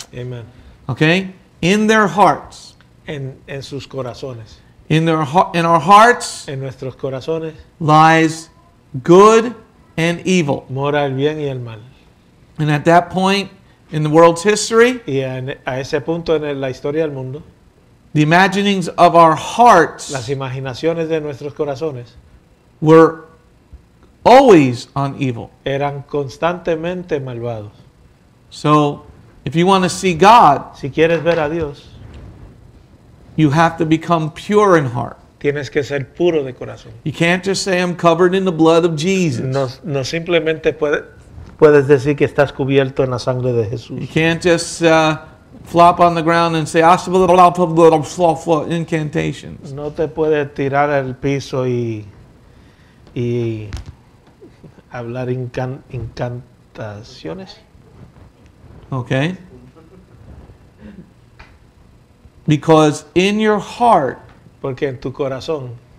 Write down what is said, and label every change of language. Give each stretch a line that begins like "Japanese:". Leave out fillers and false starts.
English: Amen. Okay? In their hearts.
Spanish: En sus corazones.
English: In our hearts.
Spanish: En nuestros corazones.
English: Lies good and evil.
Spanish: Mora el bien y el mal.
English: And at that point in the world's history.
Spanish: Y a ese punto en la historia del mundo.
English: The imaginings of our hearts.
Spanish: Las imaginaciones de nuestros corazones.
English: Were always on evil.
Spanish: Eran constantemente malvados.
English: So, if you want to see God,
Spanish: si quieres ver a Dios,
English: you have to become pure in heart.
Spanish: Tienes que ser puro de corazón.
English: You can't just say I'm covered in the blood of Jesus.
Spanish: No simplemente puedes decir que estás cubierto en la sangre de Jesús.
English: You can't just flop on the ground and say incantations.
Spanish: No te puedes tirar al piso y hablar incantaciones.
English: Okay. Because in your heart,
Spanish: porque en tu corazón,